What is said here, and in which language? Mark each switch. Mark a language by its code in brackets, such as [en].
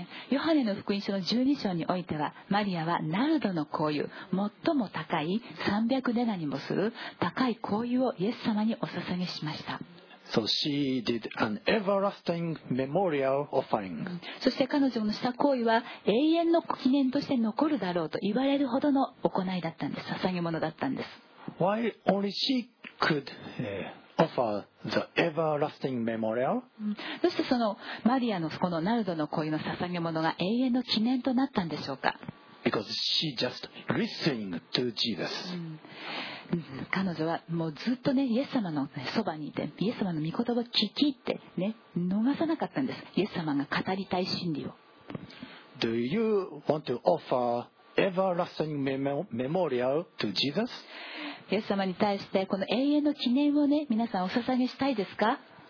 [ja] ヨハネの福音書の12章においては、マリアはナルドの香油、最も高い300デナにもする高い香油をイエス様にお捧げしました。 [en] So she did an everlasting memorial offering. [ja] そして彼女のした香油は永遠の記念として残るだろうと言われるほどの行いだったんです。捧げ物だったんです。 [en] Why only she could offer the everlasting memorial? [ja] どうしてそのマリアのこのナルドの恋の捧げ物が永遠の記念となったんでしょうか。 [en] Because she just listening to Jesus. [ja] 彼女はもうずっとねイエス様のそばにいてイエス様の御言葉を聞きってね逃さなかったんです。イエス様が語りたい真理を。 [en] Do you want to offer everlasting memorial to Jesus? [ja] イエス様に対してこの永遠の記念をね皆さんお捧げしたいですか？